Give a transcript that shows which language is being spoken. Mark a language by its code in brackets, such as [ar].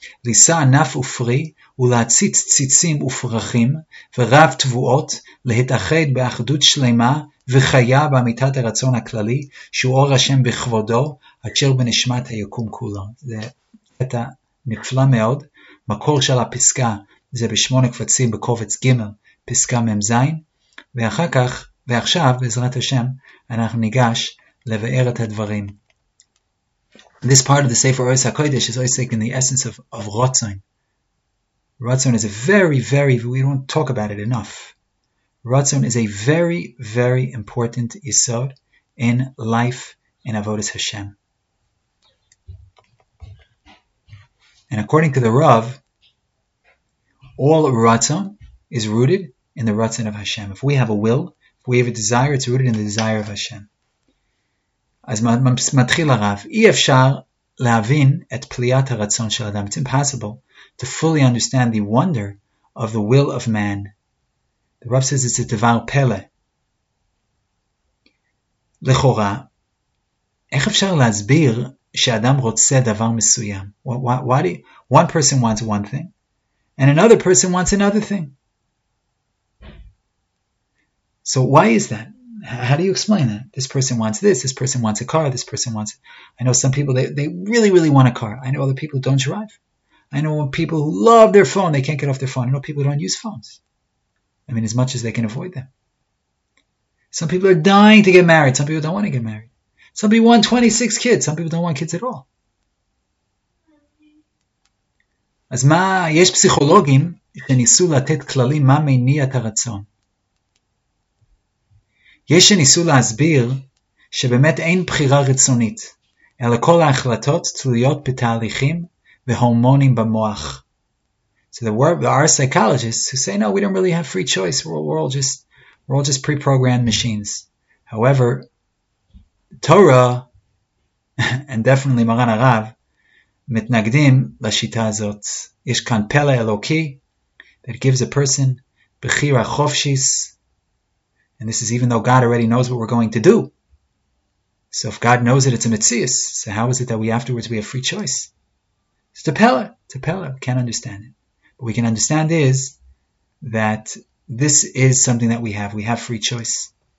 [he] לישא ענף ופרי, ולהציץ ציצים ופרחים, ורב תבועות, להתאחד באחדות שלמה, וחיה באמיתת הרצון הכללי, שהוא אור השם בכבודו, אשר בנשמת היקום כולו. זה קטע נפלא מאוד. מקור של הפסקה, זה בשמונה קבצים בקובץ ג', פסקה מ"ז, ואחר כך, ועכשיו, בעזרת השם, אנחנו ניגש לבאר את הדברים. [en] This part of the Sefer Oros HaKodesh is always taken the essence of Rotzon. Rotzon is a very, very, we don't talk about it enough. Rotzon is a very, very important Yisod in life in Avodas Hashem. And according to the Rav, all Rotzon is rooted in the Rotzon of Hashem. If we have a will, if we have a desire, it's rooted in the desire of Hashem. [he] אז מתחיל הרב, אי אפשר להבין את פליאת הרצון של אדם. [en] It's impossible to fully understand the wonder of the will of man. The Rav says it's a דבר פלא. [he] לכאורה, איך אפשר להסביר שאדם רוצה דבר מסוים? [en] One person wants one thing, and another person wants another thing. So why is that? How do you explain that? This person wants this. This person wants a car. This person wants... I know some people, they really, really want a car. I know other people who don't drive. I know people who love their phone. They can't get off their phone. I know people who don't use phones. I mean, as much as they can avoid them. Some people are dying to get married. Some people don't want to get married. Some people want 26 kids. Some people don't want kids at all. [he] אז מה, יש פסיכולוגים שניסו לתת כללים מה מניע את הרצון. יש שניסו להסביר שבאמת אין בחירה רצונית, אלא כל ההחלטות תלויות בתהליכים והורמונים במוח. [en] So there are psychologists who say, no, we don't really have free choice. We're all just pre-programmed machines. However, Torah, and definitely Maran Arav, [he] מתנגדים לשיטה הזאת. יש כאן פלא אלוקי [en] that gives a person [he] בחירה חופשית. [en] And this is even though God already knows what we're going to do. So if God knows it, it's a metzius. So how is it that we have free choice? It's a pella. It's a pella. We can't understand it. What we can understand is that this is something that we have. We have free choice.